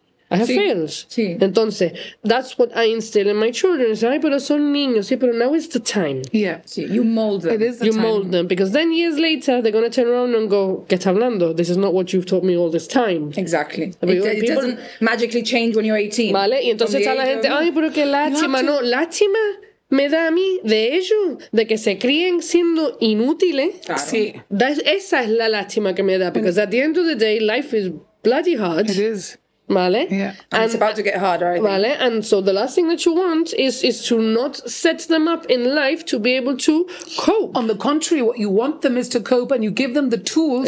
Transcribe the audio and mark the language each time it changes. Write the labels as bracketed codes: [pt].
[en] I have failed. [es] Sí. [en] Entonces, that's what I instill in my children. I say, [es] ay, pero son niños. Sí, pero [en] now is the time. Yeah. Sí. You mold them. It is the you time. Mold them. Because then years later, they're going to turn around and go, [es] ¿qué está hablando? [en] This is not what you've taught me all this time. Exactly. It doesn't magically change when you're 18. [es] Vale. Y entonces está la gente, ay, pero qué lástima. No, lástima me da a mí de ello, de que se críen siendo inútiles. Claro. Sí. Esa es la lástima que me da. [en] Because at the end of the day, life is bloody hard. It is. [es] Vale? [en] Yeah. And it's about to get harder, I think. [es] Vale? [en] And so the last thing that you want is to not set them up in life to be able to cope. On the contrary, what you want them is to cope, and you give them the tools